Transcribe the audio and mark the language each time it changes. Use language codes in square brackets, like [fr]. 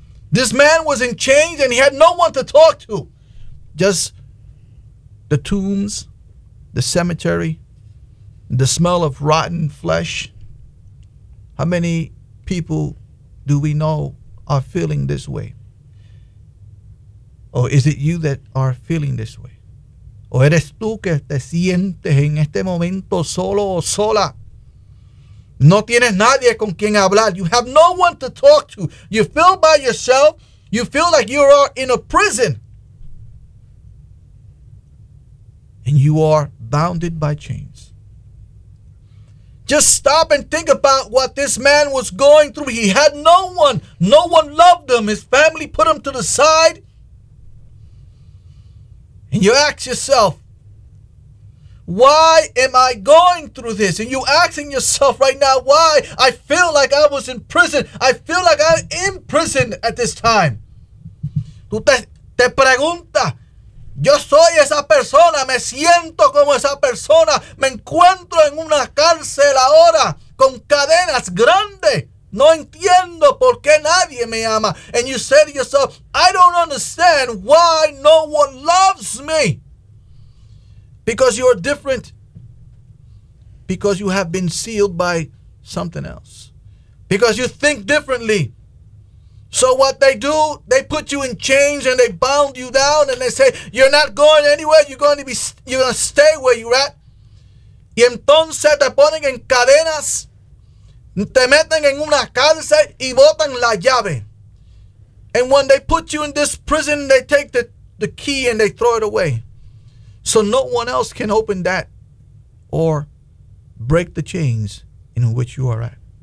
[en] This man was in chains and he had no one to talk to. Just the tombs, the cemetery, the smell of rotten flesh. How many people do we know are feeling this way? Or is it you that are feeling this way? [es] ¿O eres tú que te sientes en este momento solo o sola? No tienes nadie con quien hablar. [en] You have no one to talk to. You feel by yourself. You feel like you are in a prison. And you are bounded by chains. Just stop and think about what this man was going through. He had no one. No one loved him. His family put him to the side. And you ask yourself, why am I going through this? And you're asking yourself right now, why? I feel like I was in prison. I feel like I'm in prison at this time. [es] Tú te preguntas, yo soy esa persona, me siento como esa persona, me encuentro en una cárcel ahora con cadenas grandes. No entiendo por qué nadie me ama. [en] And you say to yourself, I don't understand why no one loves me. Because you are different. Because you have been sealed by something else. Because you think differently. So what they do, they put you in chains and they bound you down and they say, you're not going anywhere. You're going to stay where you're at. [es] Y entonces te ponen en cadenas. Te meten en una cárcel y botan la llave. [en] And when they put you in this prison, they take the key and they throw it away. So no one else can open that or break the chains in which you are at.